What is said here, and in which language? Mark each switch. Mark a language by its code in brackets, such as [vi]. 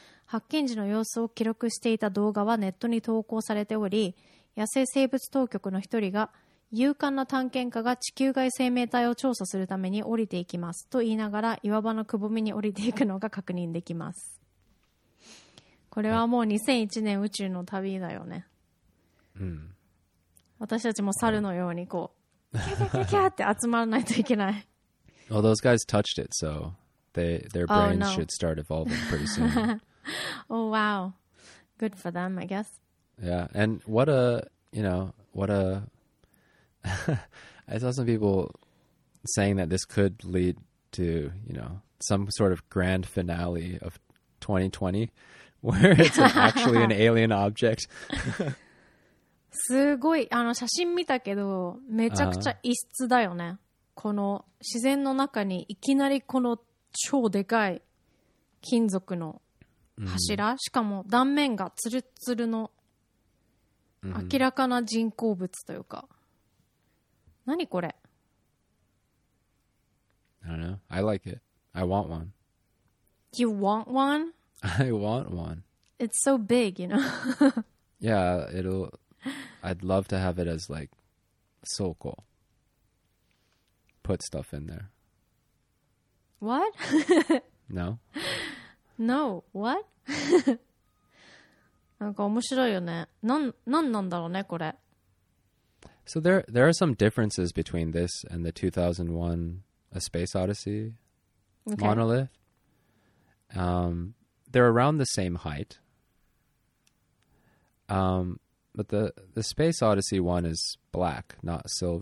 [ja] 発見時の様子を記録していた動画はネットに投稿されており、野生生物当局の一人が、勇敢な探検家が地球外生命体を調査するために降りていきますと言いながら岩場のくぼみに降りていくのが確認できます。これはもう2001年宇宙の旅だよね。うん。私たちも猿のようにこう、キャキャキャって集まらないといけない。 [en] Well, those guys touched it, so their brains should start evolving pretty soon. Oh, wow. Good for them, I guess. Yeah, and I saw some people saying that this could lead to, you know, some sort of grand finale of 2020, where it's actually an alien object. [ja] すごい、あの写真見たけど、めちゃくちゃ異質だよね。この自然の中にいきなりこの超でかい金属の柱、mm-hmm. しかも断面がツルツルの明らかな人工物というか、mm-hmm. 何これ。 [en] I don't know. I like it. I want one. You want one? I want one. It's so big, you know. Yeah, it'll I'd love to have it as like so cool. Put stuff in there. What? No? No. What? [ja] なんか面白いよね。なんなんだろうねこれ。 [en] So there are some differences between this and the 2001 A Space Odyssey、okay. monolith.、They're around the same height.、but the Space Odyssey one is black, not silver.